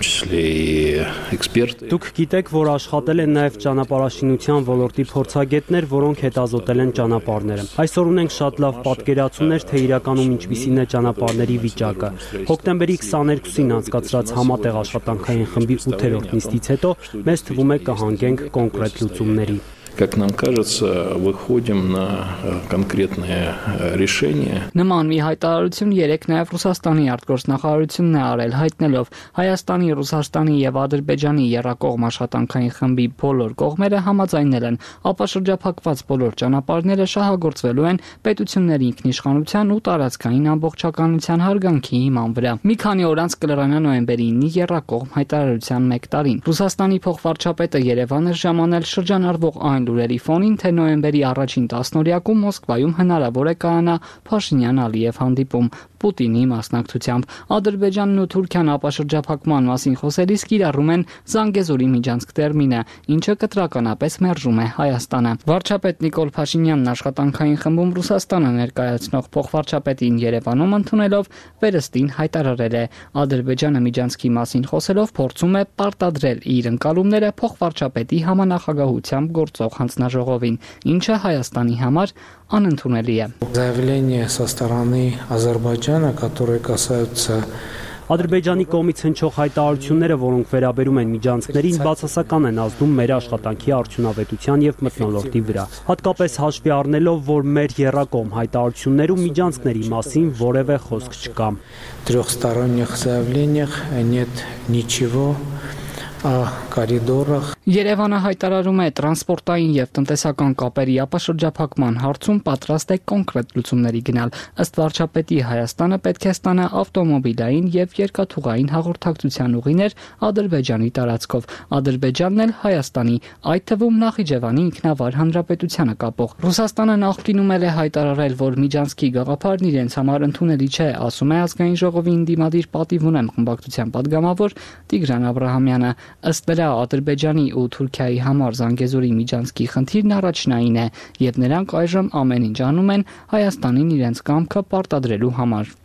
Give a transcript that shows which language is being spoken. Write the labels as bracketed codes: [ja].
[hy] Դուք գիտեք, որ աշխատել են նաև ճանապարհաշինության ոլորտի փորձագետներ, որոնք հետազոտել են ճանապարհները։ Այսօր ունենք շատ լավ պատկերացումներ, թե իրականում ինչպիսին է ճանապարհների վիճակը։ Հոկտեմբերի 22-ին անցկացրած համատեղ աշխատանքային խմբի 8-րդ նիստից հետո մեզ թվում է կհանգենք կոնկրետ լուծումների։ [ru] как нам кажется, выходим на конкретное решение. [hy] Նման մի հայտարարություն երեք նաև Ռուսաստանի արտգործնախարարությունն է արել, հայտնելով Հայաստանի, Ռուսաստանի եւ Ադրբեջանի երկկողմ աշխատանքային խմբի բոլոր կողմերը համաձայնել են ապաշրջափակված բոլոր ճանապարհները շահագործվելու են պետությունների ինքնիշխանության ու տարածքային ամբողջականության հարգանքի հիման վրա։ Մի քանի օր անց կլրանա նոյեմբերի 9-ի երկկողմ հայտարարության 1 տարին։ Ռուսաստանի փոխվարչապետը Երևանը ժամանել շրջանառվող այն լուրերի ֆոնին, թե նոյեմբերի առաջին 10-օրյակում Մոսկվայում հնարավոր է կանա Փաշինյան-Ալիև հանդիպում Պուտինի մասնակցությամբ։ Ադրբեջանն ու Թուրքիան ապաշրջափակման մասին խոսելիս կիրառում են Զանգեզուրի միջանցք տերմինը, ինչը կտրականապես մերժում է Հայաստանը։ Վարչապետ Նիկոլ Փաշինյանն աշխատանքային խմբում Ռուսաստանը ներկայացնող փոխվարչապետին Երևանում ընդունելով վերստին հայտարարել է. Ադրբեջանը միջանցքի մասին խոսելով փորձում է պարտադրել իր ընկալումները փոխվարչապետի համանախագահությամբ գործող հանձնաժողովին, ինչը Հայաստանի համար անընդունելի է։ [ru] Заявление со стороны Азербайджана, которое касается [hy] Ադրբեջանի կողմից հնչող հայտարարությունները, որոնք վերաբերում են միջանցքներին, բացասական են ազդում մեր աշխատանքի արդյունավետության եւ մտնոլորտի վրա։ Հատկապես հաշվի առնելով, որ մեր երկկողմ հայտարարություններում միջանցքների մասին որևէ խոսք չկա։ [ru] Трёхсторонних заявлениях нет ничего о коридорах [hy] Երևանը հայտարարում է տրանսպորտային եւ տնտեսական կապերի ապաշրջափակման հարցում պատրաստ է կոնկրետ լուծումների գնալ։ Ըստ վարչապետի Հայաստանը պետք է ստանա ավտոմոբիլային եւ երկաթուղային հաղորդակցության ուղիներ Ադրբեջանի տարածքով։ Ադրբեջանն էլ Հայաստանի, այդ թվում Նախիջևանի ինքնավար հանրապետությանը կապող։ Ռուսաստանը նախկինում էլ է հայտարարել, որ միջանցքի գաղափարն իրենց համար ընդունելի չէ, ասում է ազգային ժողովի ինդիմադիր պատիվունեմ խմբակցության պատգամավոր Տիգրան Աբրահամյանը։ Ըստ նրա Ադրբեջանի ու Թուրքիայի համար Զանգեզուրի միջանցքի խնդիրն առաջնային է, եւ նրանք այժմ ամեն ինչ անում են Հայաստանին իրենց կամքը պարտադրելու համար։